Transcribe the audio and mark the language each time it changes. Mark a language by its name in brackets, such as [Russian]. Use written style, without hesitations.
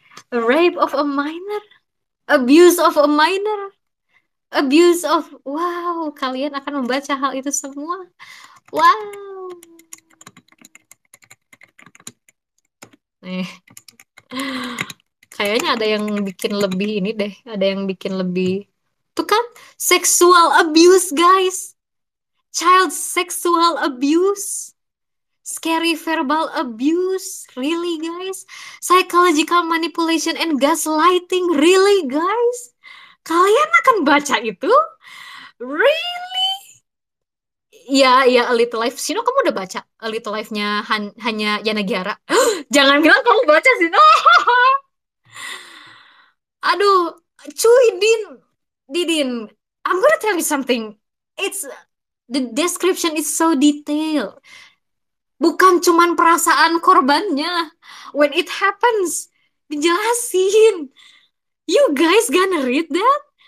[English] Rape of a minor? Abuse of a minor? Abuse of... [Indonesian] Wow, kalian akan membaca hal itu semua? Wow! Nih. Kayaknya ada yang bikin lebih ini deh. Ada yang bikin lebih... Tuh kan? [English] Sexual abuse, guys! Child sexual abuse, scary verbal abuse, really guys? Psychological manipulation and gaslighting, really guys? [Indonesian] Kalian akan baca itu? [English] Really? [Indonesian] Ya, A Little Life. Sino, kamu udah baca A Little Life-nya hanya Yana Giara? Jangan bilang kamu baca, Sino! Aduh, cuy, Din. [English] Didin, I'm gonna tell you something. It's... The description is so detailed. [Indonesian] Bukan cuman perasaan korbannya. [English] When it happens, [Indonesian] dijelasin. [English] You guys gonna read that?